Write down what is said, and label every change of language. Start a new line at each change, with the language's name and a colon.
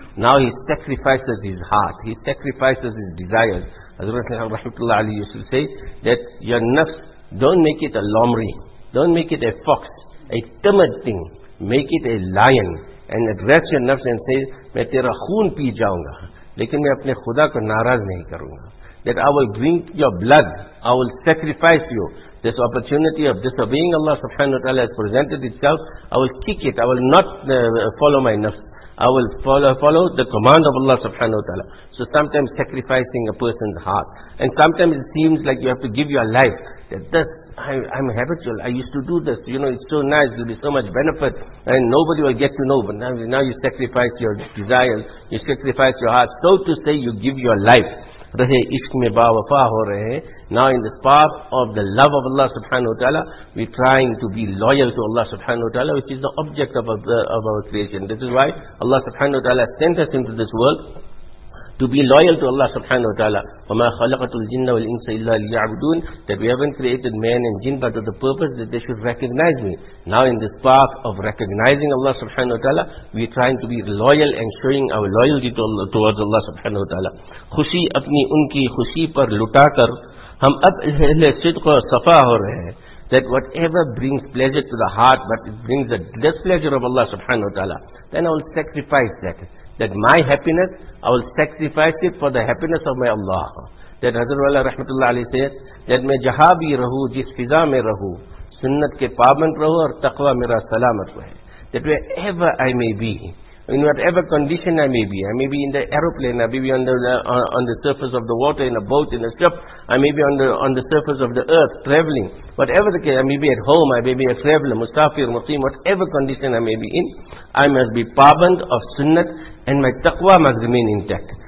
English: Now he sacrifices his heart, he sacrifices his desires. Hazrat rahmatullah alayhi used to say that your nafs, don't make it a lomri, don't make it a fox, a timid thing, make it a lion, and address your nafs and say,
Urdu: main tera khoon pee jaunga, لیکن میں اپنے خدا کو ناراض نہیں کروں گا.
English: That I will drink your blood, I will sacrifice you. This opportunity of disobeying Allah subhanahu wa ta'ala has presented itself, I will kick it, I will not follow my nafs. I will follow the command of Allah subhanahu wa ta'ala. So sometimes sacrificing a person's heart, and sometimes it seems like you have to give your life, that this, I'm habitual, I used to do this, you know, it's so nice, there will be so much benefit, and nobody will get to know, but now you sacrifice your desires, you sacrifice your heart, so to say you give your life.
Urdu: رہے عشق میں با وفا ہو رہے ہیں.
English: Now in the path of the love of Allah subhanahu wa ta'ala, we trying to be loyal to Allah subhanahu wa ta'ala, which is the object of our creation. This is why Allah subhanahu wa ta'ala sent us into this world, to be loyal to Allah subhanahu wa ta'ala.
Arabic: وَمَا خَلَقَتُ الْجِنَّ وَالْإِنسَ إِلَّا لِيَعْبُدُونَ.
English: That we haven't created man and jinn, but with the purpose that they should recognize me. Now in this path of recognizing Allah subhanahu wa ta'ala, we trying to be loyal and showing our loyalty to Allah, towards Allah subhanahu wa ta'ala.
Urdu: خوشی اپنی ان کی خوشی پر لٹا کر ہم اب اہل صدق و صفا ہو رہے ہیں.
English: That whatever brings pleasure to the heart, but it brings the displeasure of Allah subhanahu wa ta'ala, then I will sacrifice that. That my happiness, I will sacrifice it for the happiness of my Allah. That Hazrat Wala Rahmatullah Ali said, that
Urdu: میں جہاں بھی رہوں جس فضا میں رہوں سنت کے پابند رہوں اور تقوی میرا سلامت رہے.
English: That wherever I may be, in whatever condition I may be in the aeroplane, I may be on the surface of the water, in a boat, in a ship, I may be on the surface of the earth, traveling, whatever the case, I may be at home, I may be a traveler, musafir, muslim, whatever condition I may be in, I must be paband of sunnat and my taqwa must remain intact.